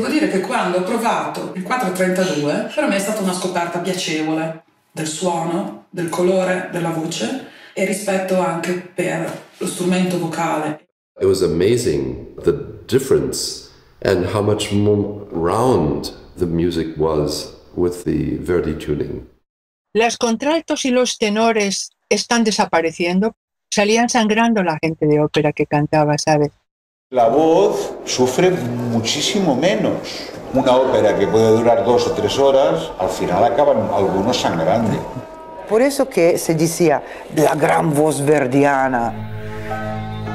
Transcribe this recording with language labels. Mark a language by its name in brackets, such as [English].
[Italian] che quando ho trovato il 432, per me è stata una scoperta piacevole del suono, del colore, della voce e rispetto anche per lo strumento vocale. [English] It was amazing the difference and how much more round the music was with the Verdi tuning. [Spanish] Las contraltos y los tenores están desapareciendo. Salían sangrando la gente de ópera que cantaba, ¿sabes? La voz sufre muchísimo menos. Una ópera que puede durar dos o tres horas, al final acaban algunos sangrando. Por eso que se decía la gran voz verdiana.